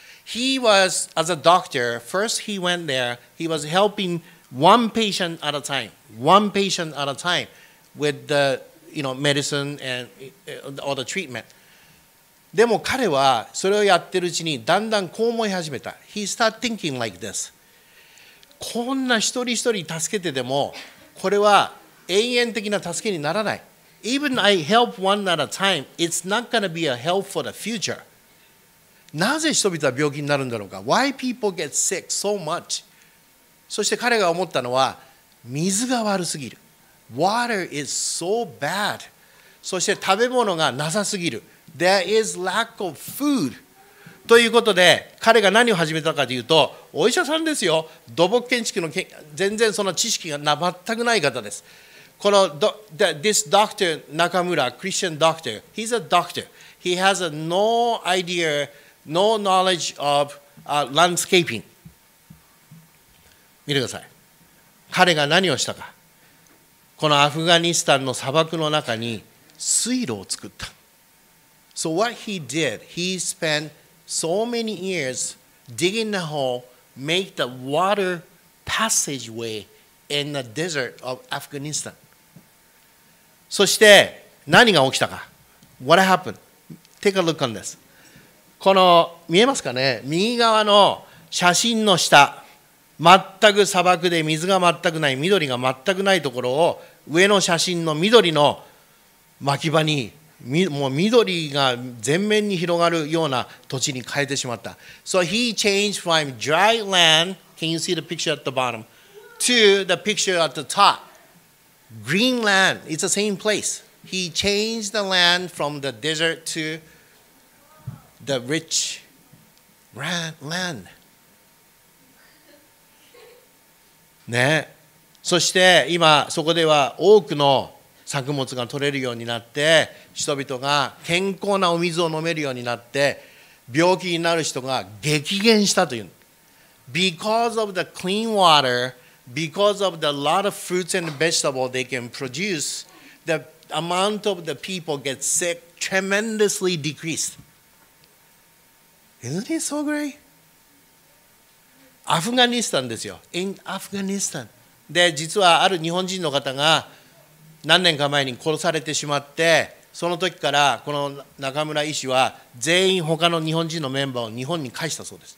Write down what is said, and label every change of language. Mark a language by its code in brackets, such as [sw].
[en] He was, as a doctor, first he went there, he was helping one patient at a time, one patient at a time with the, you know, medicine and all the treatment. [ja] でも彼はそれをやってるうちにだんだんこう思い始めた。 [en] He started thinking like this. [ja] こんな一人一人助けてでもこれは永遠的な助けにならない。 [en] Even I help one at a time, it's not going to be a help for the future. [ja] なぜ人々は病気になるんだろうか ? [en] Why people get sick so much? [ja] そして彼が思ったのは、水が悪すぎる。 [en] Water is so bad. [ja] そして食べ物がなさすぎる。 [en] There is lack of food. [ja] ということで、彼が何を始めたかというと、お医者さんですよ。土木建築の全然その知識が全くない方です。 [en] この this doctor Nakamura, Christian doctor, he's a doctor. He has a no idea, no knowledge of、landscaping. [ja] 見てください。彼が何をしたか。このアフガニスタンの砂漠の中に水路を作った。 [en] So what he did, he spent so many years digging a hole, make the water passageway in the desert of Afghanistan. [ja] そして何が起きたか [en] What happened? Take a look on this. [ja] この見えますかね右側の写真の下全く砂漠で水が全くない緑が全くないところを上の写真の緑の牧場に、もう緑が全面に広がるような土地に変えてしまった。 [en] So he changed from dry land, can you see the picture at the bottom, to the picture at the top. Green land, it's the same place. He changed the land from the desert to the rich land. [ja] ね、そして今そこでは多くの作物が取れるようになって、人々が健康なお水を飲めるようになって、病気になる人が激減したという。 [en] Because of the clean water, because of the lot of fruits and vegetables they can produce, the amount of the people get sick tremendously decreased. Isn't it so great? [ja] アフガニスタンですよ。 [en] In Afghanistan. [ja] で、実はある日本人の方が何年か前に殺されてしまって、その時からこの中村医師は全員他の日本人のメンバーを日本に返したそうです。